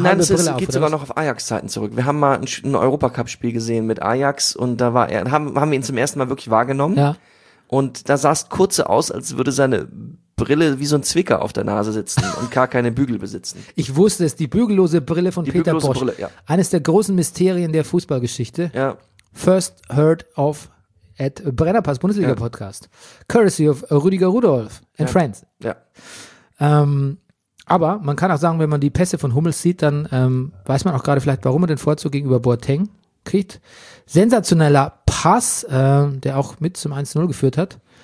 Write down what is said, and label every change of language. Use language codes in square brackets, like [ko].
[de] Nein, es geht sogar noch auf Ajax-Zeiten zurück. Wir haben mal ein Europacup-Spiel gesehen mit Ajax und da war haben wir ihn zum ersten Mal wirklich wahrgenommen. Ja. Und da sah es kurz so aus, als würde seine Brille wie so ein Zwicker auf der Nase sitzen und gar keine Bügel besitzen. Ich wusste es, die bügellose Brille von Peter Bosch. Brille, ja. Eines der großen Mysterien der Fußballgeschichte. Ja. [en] First heard of at Brennerpass, Bundesliga-Podcast. [de] Ja. [en] Courtesy of Rüdiger Rudolph and [de] ja. [en] Friends. [de] Ja. Aber man kann auch sagen, wenn man die Pässe von Hummels sieht, dann weiß man auch gerade vielleicht, warum er den Vorzug gegenüber Boateng kriegt. Sensationeller Pass, der auch mit zum 1-0 geführt hat.